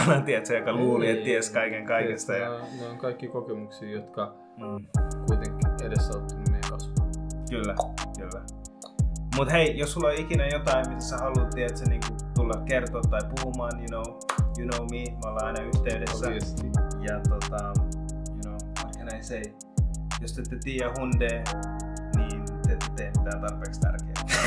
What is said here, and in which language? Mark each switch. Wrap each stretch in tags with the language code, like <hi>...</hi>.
<fi>Tiedätkö, joka luuli, että ties kaiken kaikesta. Ne on kaikki kokemuksia, jotka kuitenkin edesautti meidän kasvua. Kyllä, kyllä. Mut hei, jos sulla on ikinä jotain, mitä sä haluat tiedätkö, niin tulla kertoa tai puhumaan,</fi> <en>you know me,</en> <fi>me ollaan aina yhteydessä.</fi> <en>Obviously. Ja you know, what can I say?</en> <fi>Jos te ette tiedä hundee, niin te ette tee mitään tarpeeksi tärkeää.</fi>